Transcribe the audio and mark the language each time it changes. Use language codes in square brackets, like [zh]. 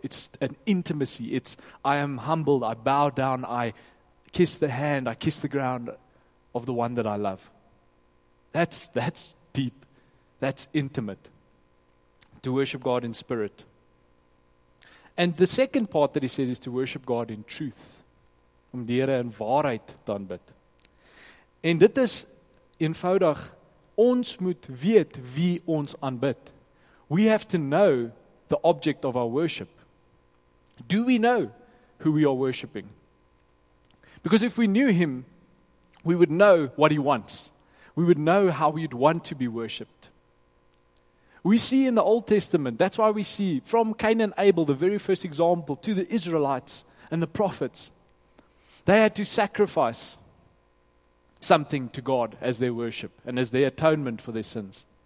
[en] It's an intimacy. It's, I am humbled, I bow down, I kiss the hand, I kiss the ground of the one that I love. That's deep. That's intimate. To worship God in spirit. And the second part that he says is to worship God in truth. [af] Om die Here in waarheid te aanbid. En dit is eenvoudig, ons moet weet wie ons aanbid. [en] We have to know the object of our worship. Do we know who we are worshiping? Because if we knew him, we would know what he wants. We would know how we'd want to be worshipped. We see in the Old Testament, that's why we see from Cain and Abel, the very first example, to the Israelites and the prophets, they had to sacrifice something to God as their worship and as their atonement for their sins.